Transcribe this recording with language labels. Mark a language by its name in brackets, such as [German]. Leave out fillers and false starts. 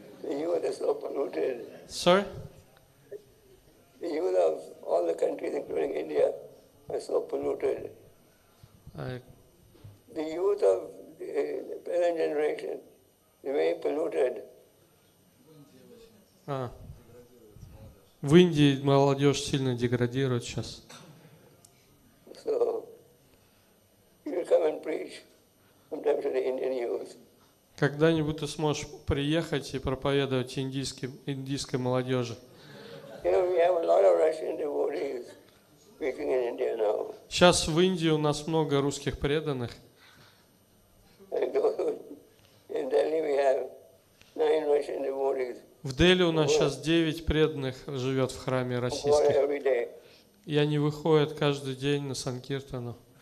[English] You are so polluted. Sir? The youth of all the countries, including India, are so polluted. The youth of the parent generation, they were polluted. [Russian] В Индии молодежь сильно деградирует сейчас. [English] So, you come and preach sometimes to the Indian youth. [Russian] Когда-нибудь ты сможешь приехать и проповедовать индийской молодежи. [English] You know, we have a lot of Russian devotees preaching in India now. [Russian] Сейчас в Индии у нас много русских преданных. [English] In Delhi we have 9 Russian devotees. [Russian] В Дели у нас сейчас 9 преданных живет в храме российских. И они выходят каждый день на санкиртану.